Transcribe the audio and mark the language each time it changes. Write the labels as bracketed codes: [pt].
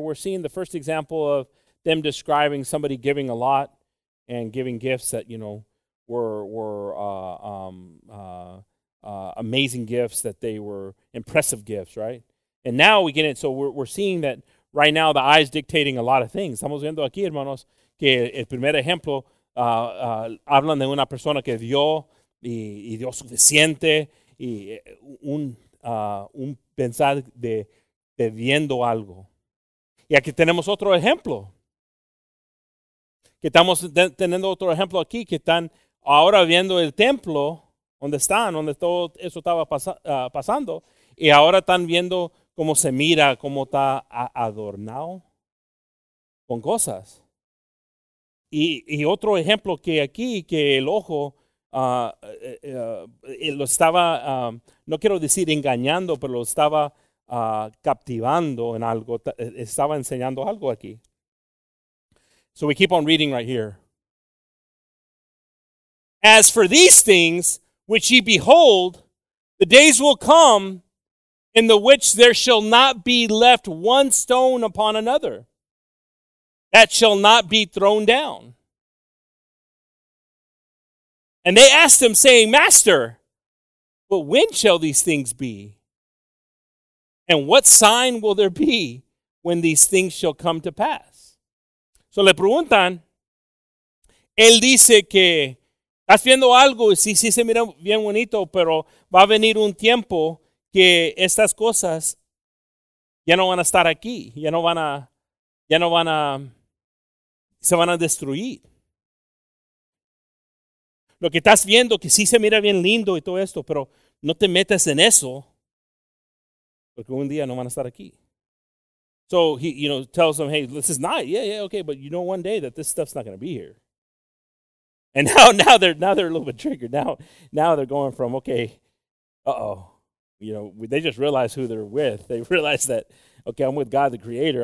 [en] We're seeing the first example of them describing somebody giving a lot and giving gifts that, you know, were amazing gifts, that they were impressive gifts, right? And now we get it. So we're seeing that right now the eye is dictating a lot of things. [es] Estamos viendo aquí, hermanos, que el primer ejemplo hablan de una persona que dio y dio suficiente y un pensar de viendo algo. Y aquí tenemos otro ejemplo. Que estamos teniendo otro ejemplo aquí, que están ahora viendo el templo, donde están, donde todo eso estaba pasando, y ahora están viendo cómo se mira, cómo está adornado con cosas. Y otro ejemplo que aquí, que el ojo lo estaba, no quiero decir engañando, pero lo estaba captivando en algo, estaba enseñando algo aquí. [en] So we keep on reading right here. "As for these things which ye behold, the days will come in the which there shall not be left one stone upon another that shall not be thrown down. And they asked him, saying, Master, but when shall these things be? And what sign will there be when these things shall come to pass?" [es] So le preguntan, él dice que estás viendo algo, sí, sí se mira bien bonito, pero va a venir un tiempo que estas cosas ya no van a estar aquí, se van a destruir. Lo que estás viendo, que sí se mira bien lindo y todo esto, pero no te metas en eso, porque un día no van a estar aquí. [en] So he, you know, tells them, hey, this is not, yeah, okay, but you know one day that this stuff's not going to be here. And now they're a little bit triggered. Now they're going from, okay, uh-oh. You know, they just realize who they're with. They realize that, okay, I'm with God the Creator.